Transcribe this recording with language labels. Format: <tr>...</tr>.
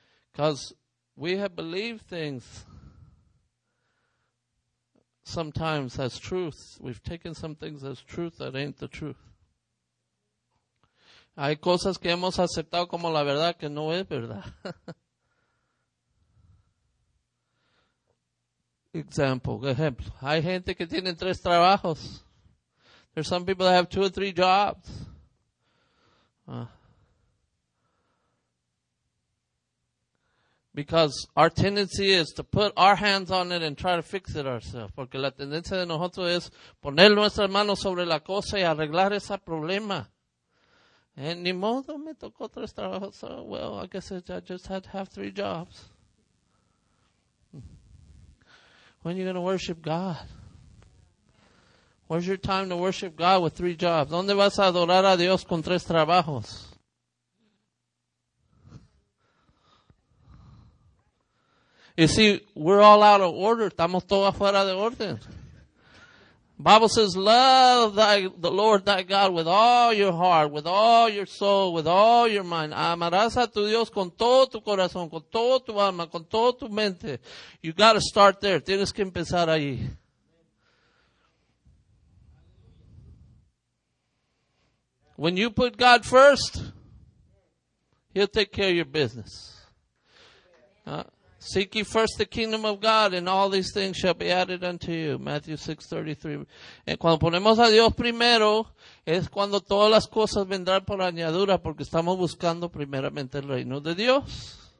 <en>Because we have believed things sometimes as truth. We've taken some things as truth that ain't the truth.</en> <es>Hay cosas que hemos aceptado como la verdad que no es verdad. Ejemplo. Hay gente que tiene tres trabajos.</es> <en>There's some people that have two or three jobs. Because our tendency is to put our hands on it and try to fix it ourselves.</en> <es>Porque la tendencia de nosotros es poner nuestras manos sobre la cosa y arreglar ese problema.</es> <en>And</en> <es>ni modo, me tocó tres trabajos.</es> <en>So, well, I guess I just had to have three jobs. When are you going to worship God? Where's your time to worship God with three jobs?</en> <es>¿Dónde vas a adorar a Dios con tres trabajos?</es> <en>You see, we're all out of order.</en> <es>Estamos todos fuera de orden.</es> <en>Bible says, love thy, the Lord thy God with all your heart, with all your soul, with all your mind.</en> <es>Amarás a tu Dios con todo tu corazón, con todo tu alma, con todo tu mente.</es> <en>You got to start there.</en> <es>Tienes que empezar allí.</es> <en>When you put God first, He'll take care of your business. Seek ye first the kingdom of God, and all these things shall be added unto you. Matthew 6:33.</en> <es>Y cuando ponemos a Dios primero, es cuando todas las cosas vendrán por añadura, porque estamos buscando primeramente el reino de Dios.</es>